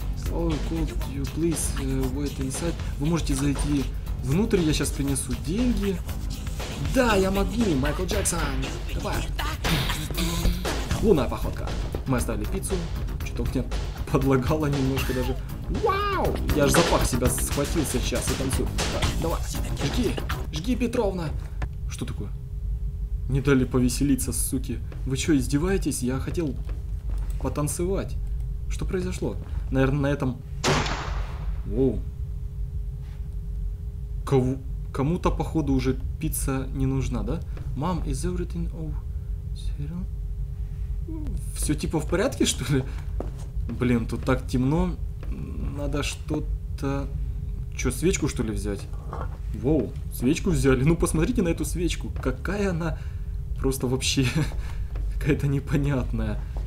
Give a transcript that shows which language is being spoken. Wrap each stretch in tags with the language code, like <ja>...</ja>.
<en>Oh, could you please wait inside?</en> <ru>Вы можете зайти внутрь, я сейчас принесу деньги. Да, я могу, Майкл Джексон. Давай. Лунная походка. Мы оставили пиццу. Что-то мне подлагало немножко даже. Вау! Я же запах себя схватил сейчас и танцую. Давай, жги, жги, Петровна. Что такое? Не дали повеселиться, суки. Вы что, издеваетесь? Я хотел потанцевать. Что произошло? Наверное, на этом... Воу. Кому-то, походу, уже пицца не нужна, да?</ru> <en>Мам, is everything okay?</en> <ru>Все типа в порядке, что ли? Блин, тут так темно. Надо что-то... Че, свечку, что ли, взять? Воу, свечку взяли. Ну, посмотрите на эту свечку. Какая она просто вообще какая-то непонятная.</ru>